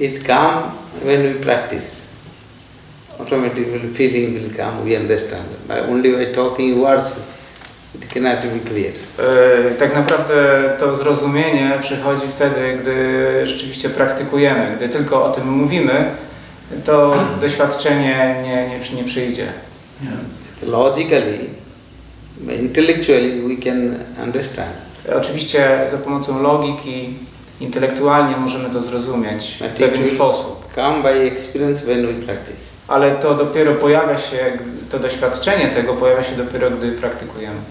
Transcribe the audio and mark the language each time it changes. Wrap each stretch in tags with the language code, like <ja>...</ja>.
<en>It comes when we practice. Automatically feeling will come, we understand. But only by talking words, it cannot be clear.</en> <pl>Tak naprawdę to zrozumienie przychodzi wtedy, gdy rzeczywiście praktykujemy. Gdy tylko o tym mówimy, to doświadczenie nie przyjdzie.</pl> <en>Yeah. Logically, intellectually we can understand.</en> <pl>Oczywiście za pomocą logiki intelektualnie możemy to zrozumieć w pewien sposób.</pl> <en>Come by experience when we practice.</en> <pl>Ale to dopiero pojawia się, to doświadczenie tego pojawia się dopiero, gdy praktykujemy.</pl>